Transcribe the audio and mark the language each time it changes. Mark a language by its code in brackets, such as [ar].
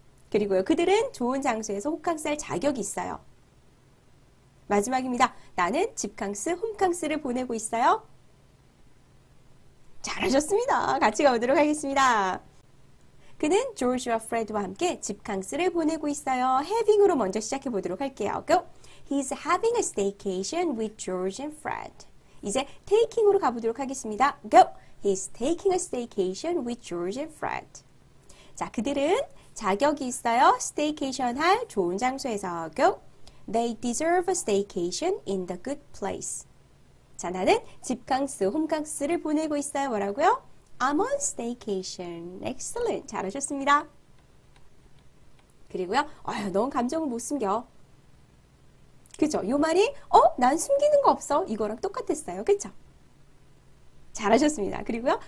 [ko] 그리고요. 그들은 좋은 장소에서 호캉스 할 자격이 있어요. 마지막입니다. 나는 집캉스, 홈캉스를 보내고 있어요. 잘하셨습니다. 같이 가보도록 하겠습니다. 그는 조지와 프레드와 함께 집캉스를 보내고 있어요. having으로 먼저 시작해 보도록 할게요. [en] Go. He's having a staycation with George and Fred. [ko] 이제 taking으로 가보도록 하겠습니다. [en] Go. He's taking a staycation with George and Fred. [ko] 자, 그들은 자격이 있어요. staycation 할 좋은 장소에서. [en] Go. They deserve a staycation in the good place. [ko] 자, 나는 집캉스, 홈캉스를 보내고 있어요. 뭐라고요? [en] I'm on staycation. Excellent. [ko] 잘하셨습니다. 그리고요. 아유, 너무 감정을 못 숨겨. 그쵸? 요 말이, 난 숨기는 거 없어. 이거랑 똑같았어요. 그쵸? 잘하셨습니다. 그리고요.